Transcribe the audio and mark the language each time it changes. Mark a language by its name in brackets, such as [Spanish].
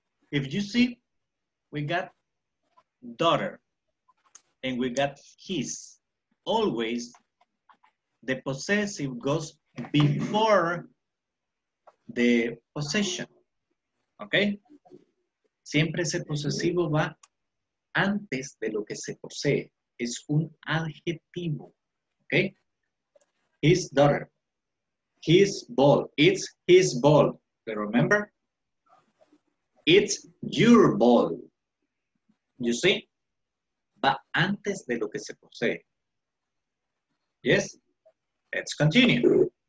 [English] If you see, we got daughter and we got his. Always, the possessive goes before the possession, okay? [Spanish] Siempre ese posesivo va antes de lo que se posee. Es un adjetivo, okay? [English] His daughter, his ball, it's his ball, but remember? It's your ball. You see? [Spanish] Va antes de lo que se posee. [English] Yes? Let's continue.